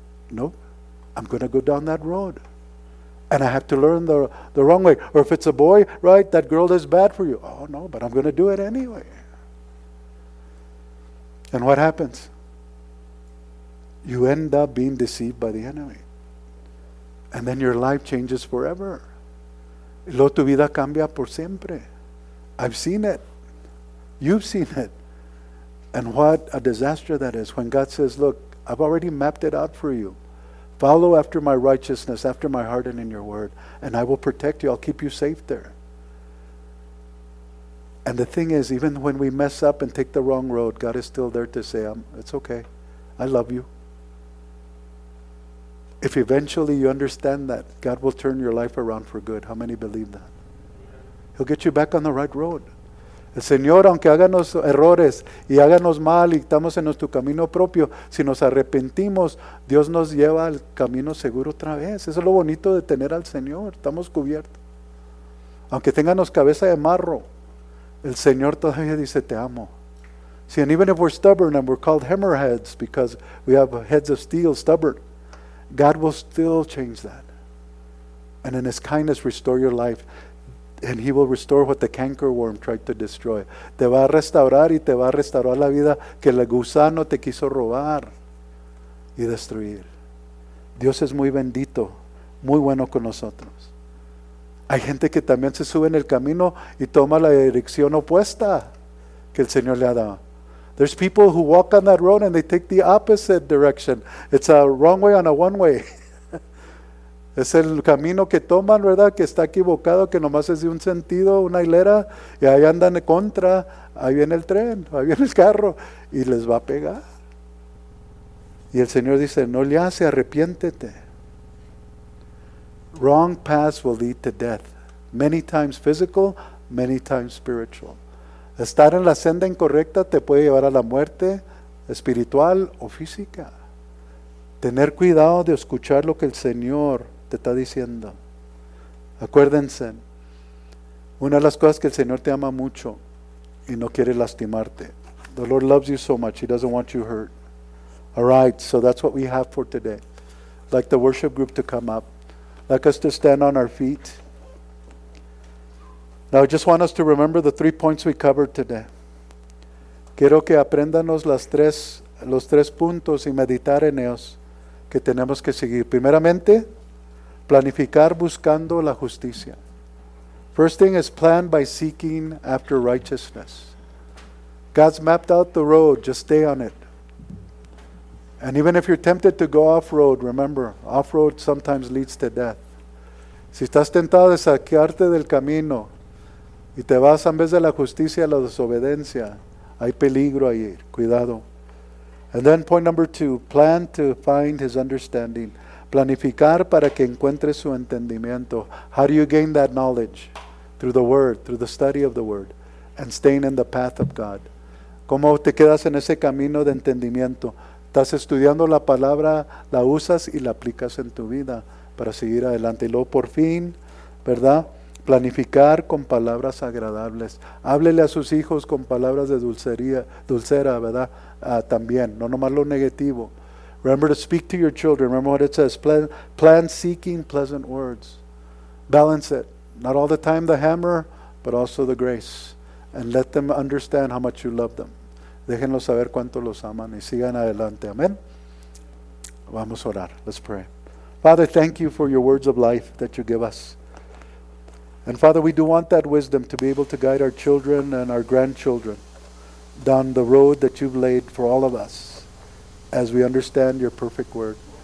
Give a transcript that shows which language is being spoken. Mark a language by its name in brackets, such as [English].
[English] No, I'm going to go down that road. And I have to learn the wrong way. Or if it's a boy, right, that girl is bad for you. Oh, no, but I'm going to do it anyway. And what happens? You end up being deceived by the enemy. And then your life changes forever. [Spanish] Y luego tu vida cambia por siempre. [English] I've seen it. You've seen it. And what a disaster that is when God says, look, I've already mapped it out for you. Follow after my righteousness, after my heart and in your word, and I will protect you. I'll keep you safe there. And the thing is, even when we mess up and take the wrong road, God is still there to say, it's okay. I love you. If eventually you understand that, God will turn your life around for good. How many believe that? He'll get you back on the right road. [Spanish] El Señor, aunque háganos errores y háganos mal y estamos en nuestro camino propio, si nos arrepentimos, Dios nos lleva al camino seguro otra vez. Eso es lo bonito de tener al Señor. Estamos cubiertos. Aunque tengamos cabeza de marro, el Señor todavía dice, te amo. [English] See, and even if we're stubborn and we're called hammerheads because we have heads of steel, stubborn, God will still change that. And in His kindness, restore your life. And He will restore what the canker worm tried to destroy. [Spanish] Te va a restaurar y te va a restaurar la vida que el gusano te quiso robar y destruir. Dios es muy bendito, muy bueno con nosotros. Hay gente que también se sube en el camino y toma la dirección opuesta que el Señor le ha dado. [English] There's people who walk on that road and they take the opposite direction. It's a wrong way on a one way. [Spanish] Es el camino que toman, ¿verdad? Que está equivocado, que nomás es de un sentido, una hilera, y ahí andan en contra, ahí viene el tren, ahí viene el carro, y les va a pegar. Y el Señor dice, no le hace, arrepiéntete. [English] Wrong paths will lead to death. Many times physical, many times spiritual. [Spanish] Estar en la senda incorrecta te puede llevar a la muerte espiritual o física. Tener cuidado de escuchar lo que el Señor te está diciendo. Acuérdense, una de las cosas que el Señor te ama mucho y no quiere lastimarte. [English] The Lord loves you so much, He doesn't want you hurt. All right, so that's what we have for today. I'd like the worship group to come up. I'd like us to stand on our feet. Now I just want us to remember the three points we covered today. [Spanish] Quiero que aprendamos los tres puntos y meditar en ellos que tenemos que seguir. Primeramente, planificar buscando la justicia. [English] First thing is plan by seeking after righteousness. God's mapped out the road, just stay on it. And even if you're tempted to go off-road, remember, off-road sometimes leads to death. [Spanish] Si estás tentado de sacarte del camino y te vas en vez de la justicia a la desobediencia, hay peligro ahí, cuidado. [English] And then point number two, plan to find His understanding. [Spanish] Planificar para que encuentre su entendimiento. [English] How do you gain that knowledge? Through the Word, through the study of the Word, and staying in the path of God. [Spanish] ¿Cómo te quedas en ese camino de entendimiento? Estás estudiando la palabra, la usas y la aplicas en tu vida para seguir adelante. Y luego por fin, ¿verdad? Planificar con palabras agradables. Háblele a sus hijos con palabras de dulcera, ¿verdad? También, no nomás lo negativo. [English] Remember to speak to your children. Remember what it says. Plan seeking pleasant words. Balance it. Not all the time the hammer, but also the grace. And let them understand how much you love them. [Spanish] Déjenlos saber cuánto los aman y sigan adelante. Amén. Vamos a orar. [English] Let's pray. Father, thank you for your words of life that you give us. And Father, we do want that wisdom to be able to guide our children and our grandchildren down the road that you've laid for all of us as we understand your perfect word.